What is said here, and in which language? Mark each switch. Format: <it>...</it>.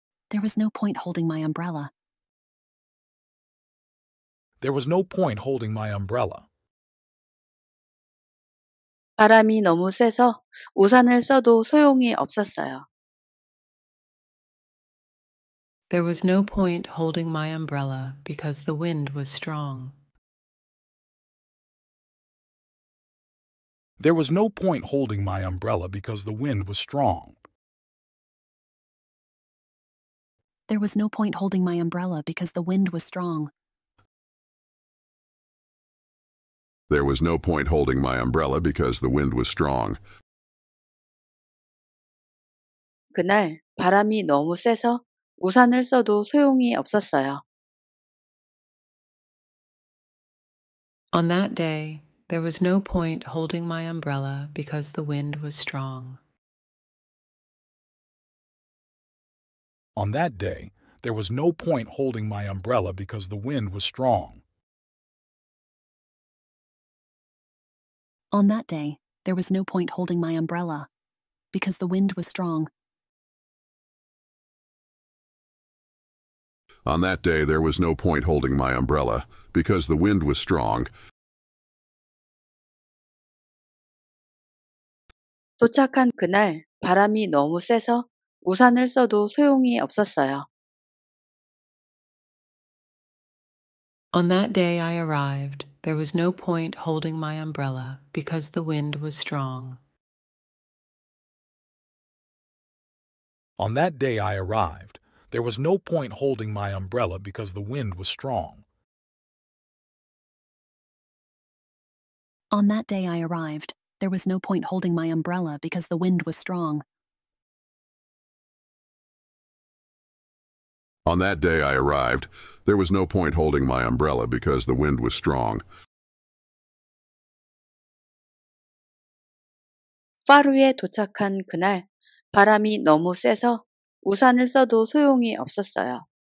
<en>There was no point holding my umbrella. There was no point holding my umbrella.</en> <ko>바람이 너무 세서 우산을 써도 소용이 없었어요.</ko> <en>There was no point holding my umbrella because the wind was strong. There was no point holding my umbrella because the wind was strong. There was no point holding my umbrella because the wind was strong. There was no point holding my umbrella because the wind was strong.</en> <ko>그날 바람이 너무 세서 우산을 써도 소용이 없었어요.</ko> <en>On that day, there was no point holding my umbrella because the wind was strong. On that day, there was no point holding my umbrella because the wind was strong. On that day, there was no point holding my umbrella because the wind was strong. On that day, there was no point holding my umbrella because the wind was strong.</en> <ko>도착한 그날 바람이 너무 세서 우산을 써도 소용이 없었어요.</ko> <en>On that day I arrived, there was no point holding my umbrella because the wind was strong. On that day I arrived, there was no point holding my umbrella because the wind was strong. On that day I arrived, there was no point holding my umbrella because the wind was strong. On that day I arrived, there was no point holding my umbrella because the wind was strong.</en> <ko>Faro에 도착한 그날 바람이 너무 세서 우산을 써도 소용이 없었어요.</ko>